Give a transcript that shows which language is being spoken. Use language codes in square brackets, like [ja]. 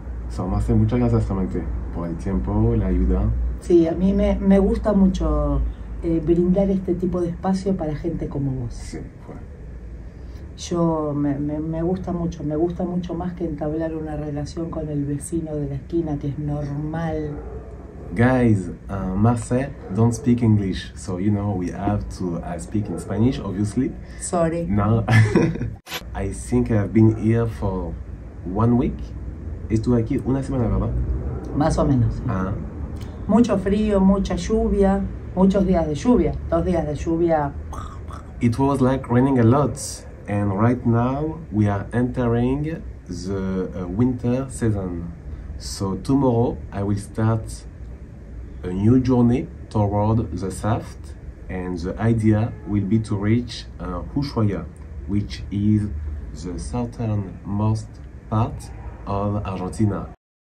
[es] So Marce, muchas gracias realmente por el tiempo, la ayuda. Sí, a mí me gusta mucho brindar este tipo de espacio para gente como vos. Sí, bueno. Yo me gusta mucho más que entablar una relación con el vecino de la esquina, que es normal. [en] Guys, Marce don't speak English, so you know we have to speak in Spanish, obviously. Sorry. No. I think I've been here for 1 week. [es] Estuve aquí una semana, ¿verdad? Más o menos. Ah. Mucho frío, mucha lluvia, muchos días de lluvia, 2 días de lluvia. [en] It was like raining a lot. And right now we are entering the winter season. So tomorrow I will start a new journey toward the south, and the idea will be to reach Ushuaia, which is the southernmost part of Argentina.